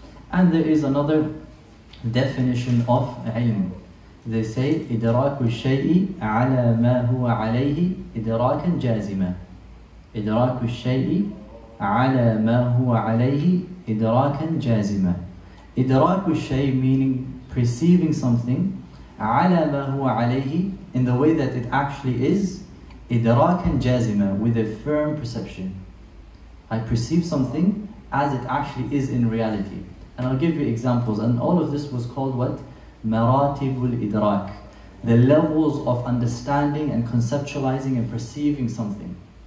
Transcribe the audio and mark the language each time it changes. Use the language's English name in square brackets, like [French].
[English] And there is another definition of ilm. They say [Arabic] إدراك الشيء على ما هو عليه إدراكا جازما. إدراك الشيء على ما هو عليه إدراكا جازما. إدراك الشيء [English] meaning perceiving something [Arabic] على ما هو عليه [English] in the way that it actually is [Arabic] إدراكا جازما [English] with a firm perception. I perceive something as it actually is in reality. And I'll give you examples. And all of this was called what? [Arabic] مراتب الإدراك [English] The levels of understanding and conceptualizing and perceiving something.